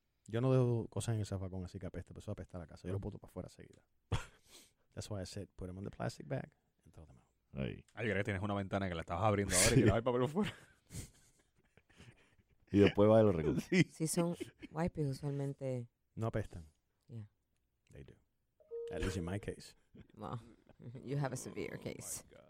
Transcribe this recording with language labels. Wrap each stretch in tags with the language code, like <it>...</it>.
<es>Yo no dejo cosas en ese vacón así que apeste, pero eso apesta a la casa. Yo lo boto para afuera enseguida.</es> <en>That's why I said, put them in the plastic bag and throw them out.</en> <es>Ay, creo que tienes una ventana que la estabas abriendo ahora y que no hay papel afuera. Y después va y lo recoge. Sí. Si son wipes, usualmente... No apestan.</es> <en>Yeah. They do. At least in my case. Well, you have a severe case.</en>